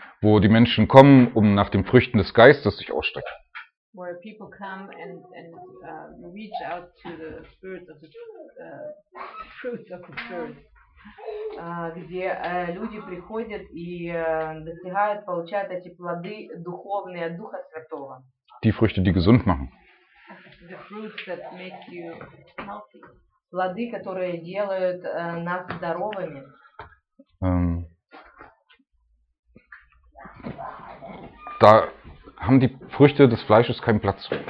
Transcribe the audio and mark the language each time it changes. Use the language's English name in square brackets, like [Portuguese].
[German] Wo die Menschen kommen, um nach den Früchten des Geistes sich ausstrecken. [English] Where people come and reach out to the spirits of the fruits of the spirit. [Russian] Где люди приходят и достигают, получают эти плоды духовные от Духа Святого. [German] Die Früchte, die gesund machen. [English] The fruits that make you healthy. [Russian] Плоды, которые делают нас здоровыми. [German] Da haben die Früchte des Fleisches keinen Platz.